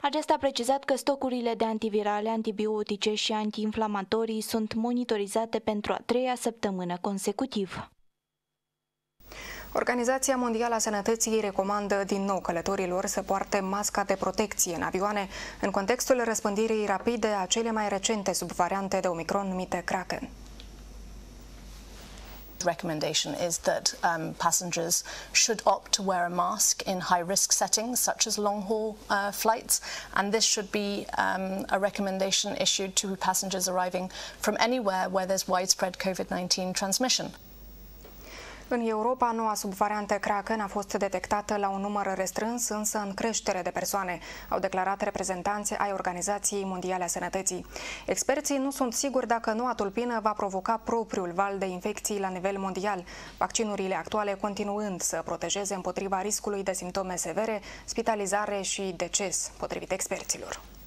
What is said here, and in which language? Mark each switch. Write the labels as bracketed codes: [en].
[ro] Acesta a precizat că stocurile de antivirale, antibiotice și antiinflamatorii sunt monitorizate pentru a treia săptămână consecutivă. Organizația Mondială a Sănătății recomandă din nou călătorilor să poarte masca de protecție în avioane în contextul răspândirii rapide a cele mai recente subvariante de Omicron numite Kraken. [en] Recommendation is that passengers should opt to wear a mask in high-risk settings such as long-haul flights, and this should be a recommendation issued to passengers arriving from anywhere where there's widespread COVID-19 transmission. [ro] În Europa, noua subvariantă Kraken a fost detectată la un număr restrâns, însă în creștere de persoane, au declarat reprezentanții ai Organizației Mondiale a Sănătății. Experții nu sunt siguri dacă noua tulpină va provoca propriul val de infecții la nivel mondial, vaccinurile actuale continuând să protejeze împotriva riscului de simptome severe, spitalizare și deces, potrivit experților.